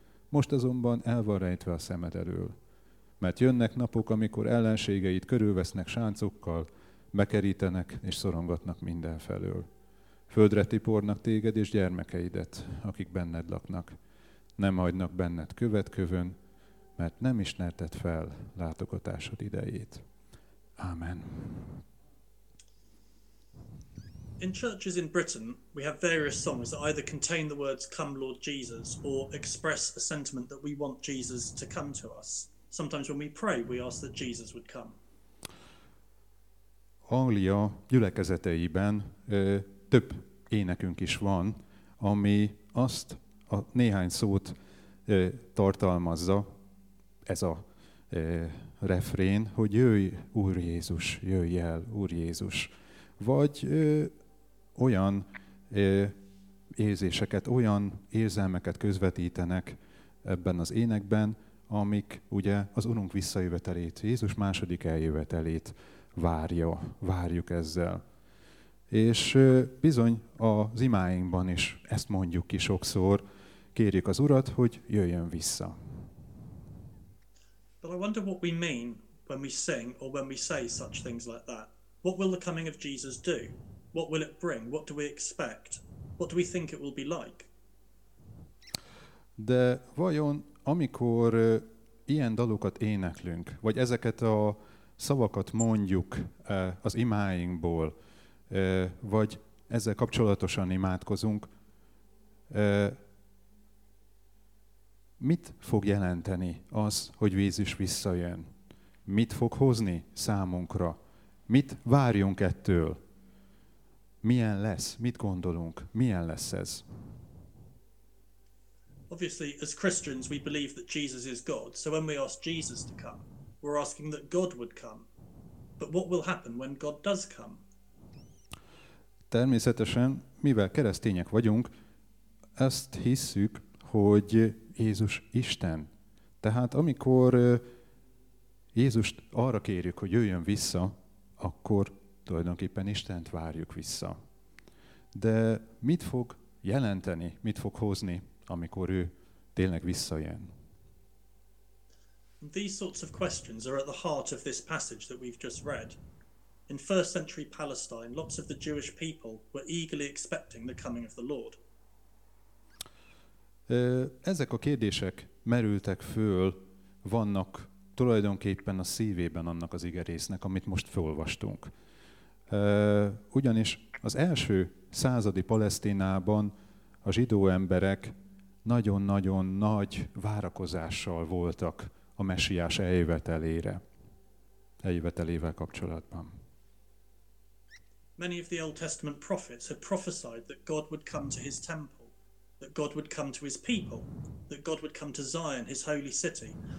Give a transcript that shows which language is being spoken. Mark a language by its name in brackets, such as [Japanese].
[Hungarian] Most azonban el van rejtve a szemed elől. Mert jönnek napok, amikor ellenségeid körülvesznek sáncokkal, bekerítenek és szorongatnak mindenfelől. Földre tipornak téged és gyermekeidet, akik benned laknak. Nem hagynak benned követ kövön, mert nem ismerted fel látogatásod idejét." Amen. [English] In churches in Britain, we have various songs that either contain the words "Come Lord Jesus" or express a sentiment that we want Jesus to come to us. Sometimes when we pray, we ask that Jesus would come. [Hungarian] Anglia gyülekezeteiben több énekünk is van, ami azt a néhány szót tartalmazza, ez a refrén, hogy jöjj Úr Jézus, jöjj el Úr Jézus. Vagy olyan érzéseket, olyan érzelmeket közvetítenek ebben az énekben, amik ugye az Urunk visszajövetelét, Jézus második eljövetelét várjuk ezzel. És bizony az imáinkban is ezt mondjuk ki sokszor, kérjük az Urat, hogy jöjjön vissza. [English] But I wonder what we mean when we sing or when we say such things like that. What will the coming of Jesus do? What will it bring? What do we expect? What do we think it will be like? [Hungarian] De vajon, amikor ilyen dalokat éneklünk, vagy ezeket a szavakat mondjuk az imáinkból, vagy ezzel kapcsolatosan imádkozunk, Mit fog jelenteni az, hogy Jézus visszajön? Mit fog hozni számunkra? Mit várjunk ettől? Milyen lesz? Mit gondolunk? Milyen lesz ez? [English] Obviously, as Christians, we believe that Jesus is God. So when we ask Jesus to come, we're asking that God would come. But what will happen when God does come? [Hungarian] Természetesen, mivel keresztények vagyunk, ezt hisszük, hogy Jézus Isten. Tehát amikor Jézust arra kérjük, hogy jöjjön vissza, akkor tulajdonképpen Istent várjuk vissza. De mit fog jelenteni, mit fog hozni, amikor ő tényleg visszajön? [English] These sorts of questions are at the heart of this passage that we've just read. In first century Palestine, lots of the Jewish people were eagerly expecting the coming of the Lord. [Hungarian] Ezek a kérdések merültek föl, vannak tulajdonképpen a szívében annak az igerésznek, amit most felolvastunk. Ugyanis az első századi Palesztinában a zsidó emberek nagyon-nagyon nagy várakozással voltak a Mesiás eljövetelével kapcsolatban. [English] Many of the Old Testament prophets had prophesied that God would come to his temple, that God would come to his people, that God would come to Zion, his holy city.